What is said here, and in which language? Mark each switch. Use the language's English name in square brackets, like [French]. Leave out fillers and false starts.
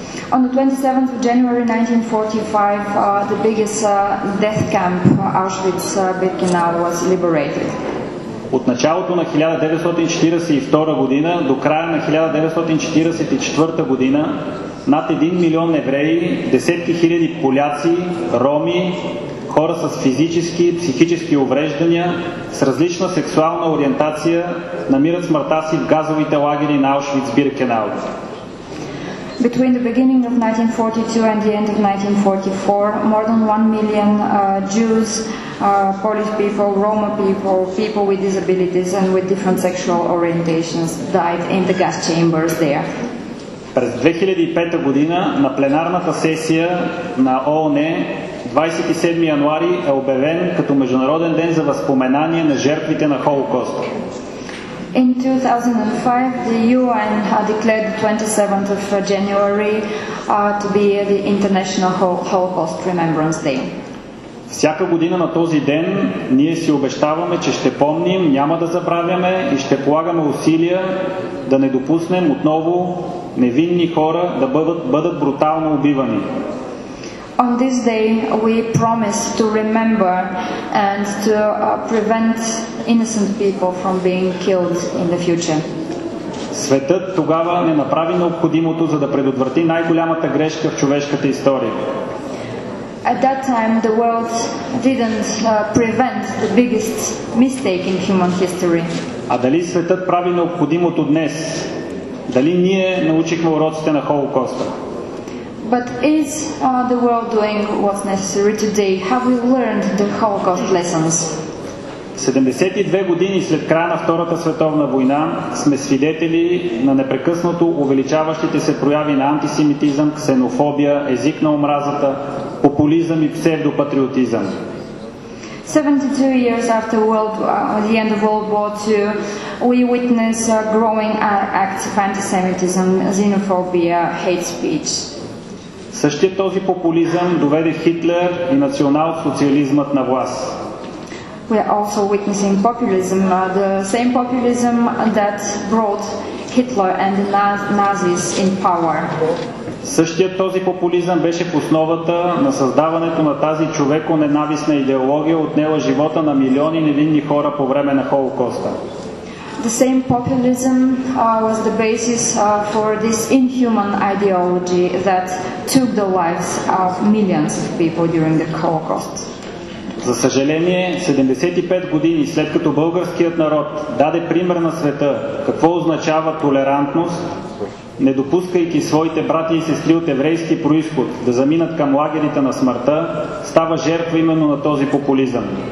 [English] On the 27th of January 1945, the biggest death camp Auschwitz-Birkenau was liberated. [Bulgarian] От началото на 1942 година до края на 1944 година над 1 милион евреи, десетки хиляди поляци, роми, хора с физически, психически увреждания, с различна сексуална ориентация, намират смъртта си в газовите лагери на Аушвиц-Биркенау. [English] Between the beginning of 1942 and the end of 1944, more than 1 million Jews, Polish people, Roma people, people with disabilities and with different sexual orientations died in the gas chambers there. [Bulgarian] През 2005 година на пленарната сесия на ООН 27 януари е обявен като Международен ден за възпоменание на жертвите на Холокоста. [English] In 2005, the UN declared the 27th of January to be the International Holocaust Remembrance Day. [Bulgarian] Всяка година на този ден ние си обещаваме, че ще помним, няма да забравяме и ще полагаме усилия да не допуснем отново невинни хора да бъдат брутално убивани. [English] On this day, we promise to remember and to prevent innocent people from being killed in the future. [Bulgarian] Светът тогава не направи необходимото, за да предотврати най-голямата грешка в човешката история. [English] At that time, the world didn't prevent the biggest mistake in human history. [Bulgarian] А дали светът прави необходимото днес? Дали ние научихме уроците на Холокоста? [English] But is the world doing what's necessary today? Have we learned the Holocaust lessons? [Bulgarian] 72 години след края на Втората световна война сме свидетели на непрекъснато увеличаващите се прояви на антисемитизъм, ксенофобия, език на омразата, популизъм и псевдопатриотизъм. [English] 72 years after the end of World War II, we witness growing acts of antisemitism, xenophobia, hate speech. [Bulgarian] Същият този популизъм доведе Хитлер и национал-социализмът на власт. [English] We are also witnessing populism, the same populism that brought Hitler and the Nazis in power. [Bulgarian] Същият този популизъм беше в основата на създаването на тази човеконенавистна идеология, отнела живота на милиони невинни хора по време на Холокоста. [English] The same populism was the basis for this inhuman ideology that took the lives of millions of people during the Holocaust. [Bulgarian] За съжаление, 75 години след като българският народ даде пример на света какво означава толерантност, не допускайки своите брати и сестри от еврейски произход да заминат към лагерите на смъртта, става жертва именно на този популизъм.